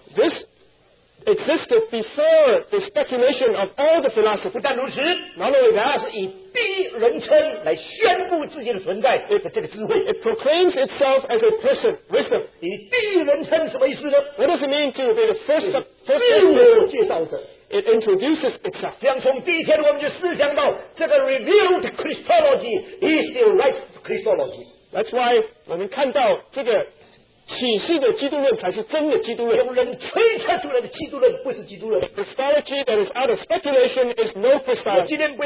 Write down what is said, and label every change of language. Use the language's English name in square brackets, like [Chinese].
[English] this existed before the speculation of all the philosophers. [Chinese] 不但如此, [English] not only that, [Chinese] 第一人称来宣布自己的存在, [English] it proclaims itself as a person, wisdom. [Chinese] 以第一人称什么意思呢? [English] What does it mean to be the first person? It introduces itself. [Chinese] 这样从第一天我们就思想到, 这个 [English] revealed Christology is the right Christology. That's why [Chinese] 我们看到这个 启示的基督论才是真的基督论。有人推测出来的基督论不是基督论。 [English] Christology that is out of speculation is no Christology.